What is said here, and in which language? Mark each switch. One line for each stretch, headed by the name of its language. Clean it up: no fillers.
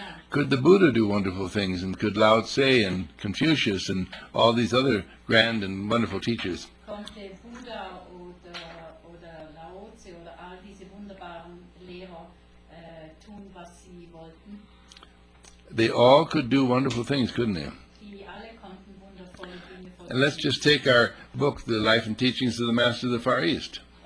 English: Could the Buddha do wonderful things, and could Lao Tse and Confucius and all these other grand and wonderful teachers?
German: Konnte Buddha oder Lao Tse oder all diese wunderbaren Lehrer tun, was sie wollten?
English: They all could do wonderful things, couldn't they?
German: Die alle konnten wundervolle Dinge vollziehen.
English: And let's just take our book, The Life and Teachings of the Master of the Far East.